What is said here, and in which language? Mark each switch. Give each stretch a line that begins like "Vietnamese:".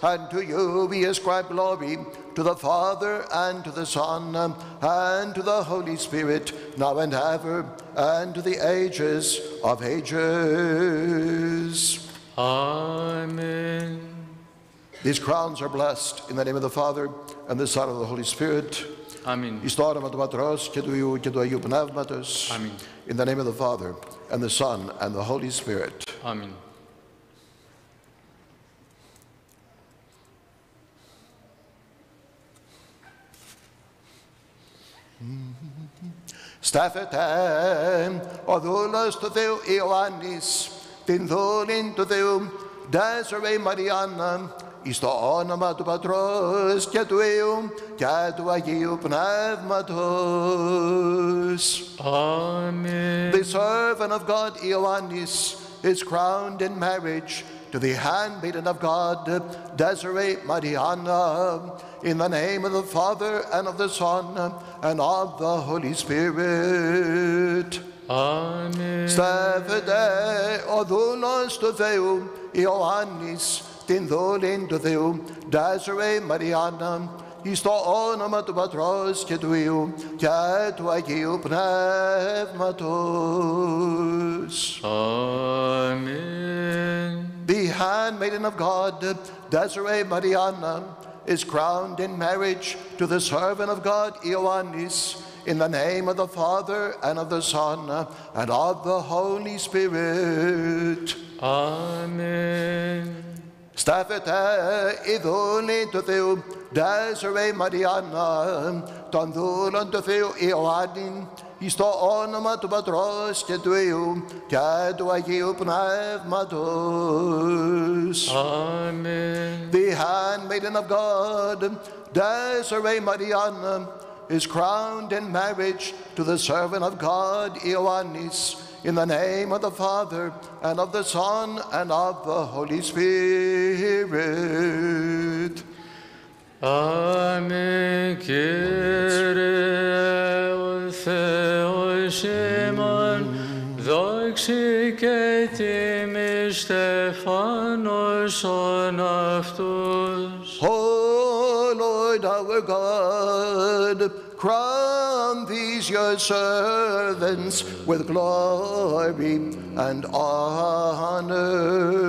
English: And to you we ascribe glory, to the Father and to the Son and to the Holy Spirit, now and ever and to the ages of ages. Amen. These crowns are blessed in the name of the Father and the Son and the Holy Spirit. Amen.
Greek: Εις το όνομα του Πατρός και του Υιού και του Αγίου Πνεύματος.
English: Amen. In the name of the Father and the Son and the Holy Spirit. Amen.
Greek: Στάφετε ο δούλος του Θεού Ιωάννης την δούλην του Θεού, Desiree Mariana, εις το όνομα του Πατρός και του Υιού και του Αγίου Πνεύματος.
English: Amen. The servant of God, Ioannis, is crowned in marriage to the handmaiden of God, Desiree Mariana, in the name of the Father and of the Son and of the Holy Spirit. Amen.
Greek: Στέφετε ο δούλος του Θεού, Ιωάννης, την δούλην του Θεού, Desiree Mariana, εις το όνομα του Πατρός και του Υιού και του Αγίου Πνεύματος.
English: Amen. The handmaiden of God, Desiree Mariana, is crowned in marriage to the servant of God, Ioannis, in the name of the Father and of the Son and of the Holy Spirit. Amen.
Greek: Στάφετε η δούλη του Θεού, Desiree Mariana, τον δούλον του Θεού Ιωάννη, εις το όνομα του Πατρός και του Υιού και του Αγίου Πνεύματος.
English: Amen. The handmaiden of God, Desiree Mariana, is crowned in marriage to the servant of God, Ioannis, in the name of the Father, and of the Son, and of the Holy Spirit. Amen.
Greek: Κύριε Θεός ημών, δόξη και τιμή στεφάνωσον αυτούς.
English: Ο Lord our God, crown these your servants with glory and honor.